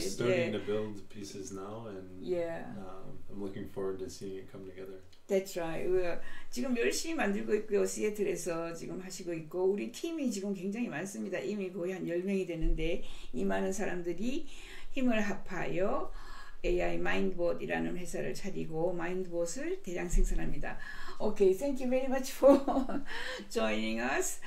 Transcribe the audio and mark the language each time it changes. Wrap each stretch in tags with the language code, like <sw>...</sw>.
<en>starting to build pieces now, and I'm looking forward to seeing it come together. That's right.</en> <ko>지금 열심히 만들고 있고요. 시애틀에서 지금 하시고 있고 우리 팀이 지금 굉장히 많습니다. 이미 거의 한 10명이 되는데 이 많은 사람들이 힘을 합하여 AI 마인드봇이라는 회사를 차리고 마인드봇을 대량 생산합니다.</ko> <en>Okay, thank you very much for joining us.</en>